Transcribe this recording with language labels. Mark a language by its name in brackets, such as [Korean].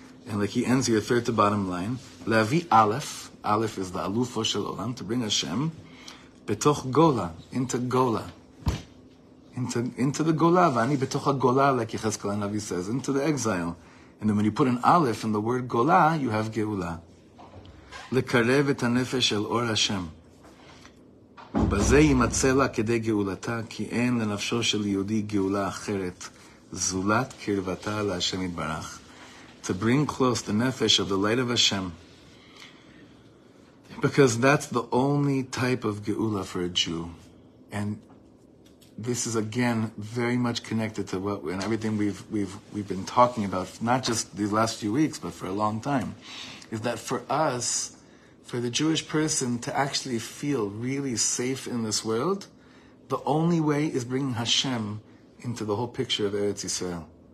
[English] And like he ends here, third to bottom line, Levi Aleph, Aleph is the [Hebrew] Alufo Shel Olam, [English] to bring Hashem, [Hebrew] Betoch Gola, [English] into Gola, into the Gola, [Hebrew] Vani Betoch HaGola, [English] like Yechezkel HaNavi says, into the exile. And then when you put an Aleph in the word Gola, you have Geula. [Hebrew] לקרב את הנפש אל אור השם. ובזה יימצא לה כדי גאולתה, כי אין לנפשו של יהודי גאולה אחרת, זולת קרבתה להשם יתברך. [English] To bring close the nefesh of the light of Hashem. Because that's the only type of geula for a Jew. And this is again very much connected to what and everything we've been talking about, not just these last few weeks, but for a long time, is that for us, for the Jewish person to actually feel really safe in this world, the only way is bringing Hashem into the whole picture of Eretz Yisrael.